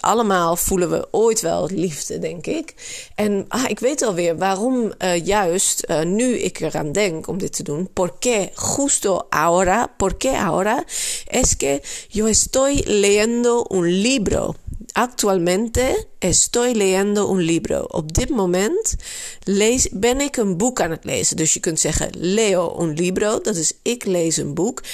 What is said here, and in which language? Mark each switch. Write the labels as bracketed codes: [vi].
[nl] Allemaal voelen we ooit wel liefde, denk ik. En ik weet alweer waarom nu ik eraan denk om dit te doen. [es] ¿Por qué justo ahora? ¿Por qué ahora? Es que yo estoy leyendo un libro. Actualmente estoy leyendo un libro. [nl] Op dit moment ben ik een boek aan het lezen. Dus je kunt zeggen [es] leo un libro, [nl] dat is ik lees een boek.